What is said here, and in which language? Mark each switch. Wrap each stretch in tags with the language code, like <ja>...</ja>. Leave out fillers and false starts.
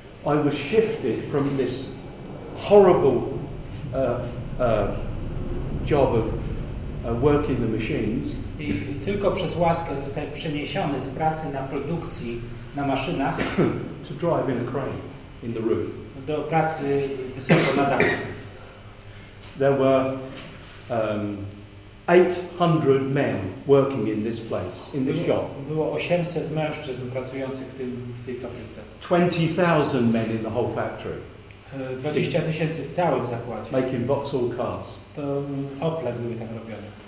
<en>I was shifted from this horrible job of working the machines.</en> <pl>I tylko przez łaskę zostałem przeniesiony z pracy na produkcji na maszynach</pl> <en>to drive in a crane. In the roof.</en> <pl>Do pracy wysoko na dachu.</pl> <en>There were 800 men working in this place, in this job.</en> <pl>Było 800 mężczyzn pracujących w tej fabryce.</pl> <en>20,000 men in the whole factory.</en> <pl>20,000 w całym zakładzie.</pl> <en>Making Vauxhall cars.</en> <pl>To Ople były tam robione.</pl>